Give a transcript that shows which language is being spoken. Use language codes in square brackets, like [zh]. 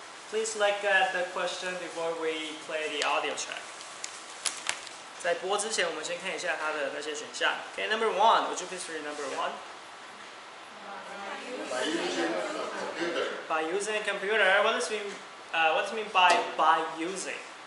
[zh] Please look at the question before we play the audio track. 在播之前，我们先看一下它的那些选项。 [en] Okay, number one, would you please read number one? By using a computer. By using a computer, what does it mean, by using?